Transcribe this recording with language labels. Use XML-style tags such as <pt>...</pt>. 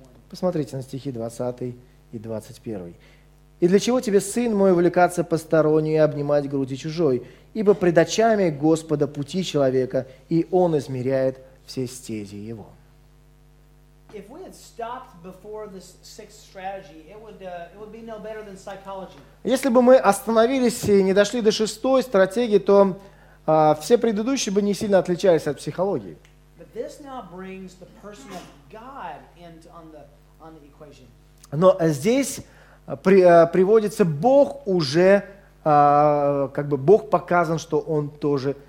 <ru>Посмотрите на стихи 20 и 21. «И для чего тебе, сын мой, увлекаться посторонней и обнимать груди чужой? Ибо пред очами Господа пути человека, и Он измеряет все стези его».</ru> <en>If we had stopped before this sixth strategy, it would be no better than psychology.</en> <ru>Если бы мы остановились и не дошли до шестой стратегии, то все предыдущие бы не сильно отличались от психологии.</ru> <en>But this now brings the person of God into on the equation.</en> <ru>Но здесь приводится Бог уже, как бы Бог показан, что Он тоже</ru>